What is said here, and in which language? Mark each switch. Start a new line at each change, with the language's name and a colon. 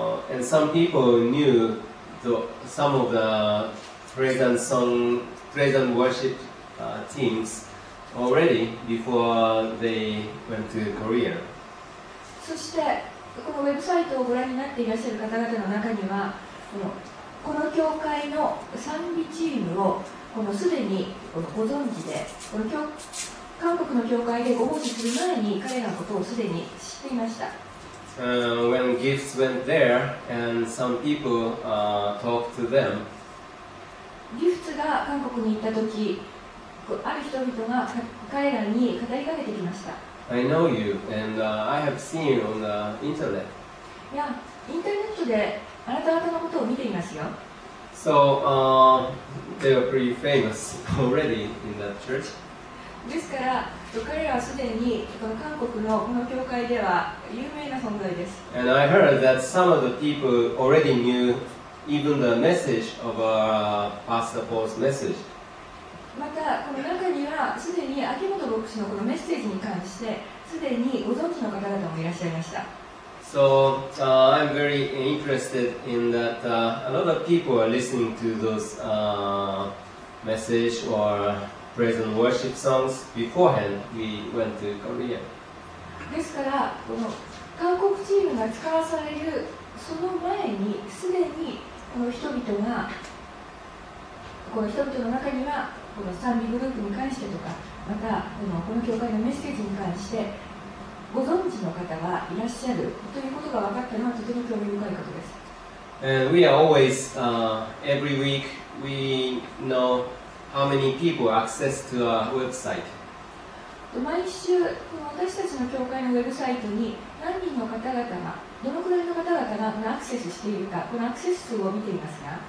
English: And some people knew some of the praise and song, praise and worship teams already before they went to Korea.
Japanese: そしてこのウェブサイトをご覧になっていらっしゃる方々の中にはこの教会の賛美チームをこのすでにご存知でこの韓国の教会でご奉仕する前に彼らのことをすでに知っていました。
English: When gifts went there, and some people talked to them.
Japanese: Gifts が韓国に行ったとき、ある人々が彼らに語りかけてきました。
English: I know you, and I have seen you on the internet.
Japanese: いや、インターネットであなた方のことを見ていますよ。
English: So, they are pretty famous already in that church.
Japanese: ですから彼らはすでにこの韓国のこの教会では有名な存在です。
English: And I heard that some of the people already knew even the message of Pastor Paul's message.
Japanese: またこの中にはすでに秋元牧師のこのメッセージに関してすでにご存知の方々もいらっしゃいました。
English: So, I'm very interested in that a lot of people are listening to those message or praise and worship songs beforehand we went to Korea.
Japanese: ですからこの韓国チームが使わされるその前にすでにこの人々がこの人々の中にはこの賛美グループに関してとかまたこの教会のメッセージに関してご存知の方がいらっしゃるということが分かったのはとても興味深いことです。
English: We are always, every week, we know how many people access to our website.
Japanese: 毎週この私たちの教会のウェブサイトに何人の方々がどのくらいの方々がこのアクセスしているかこのアクセス数を見ていますが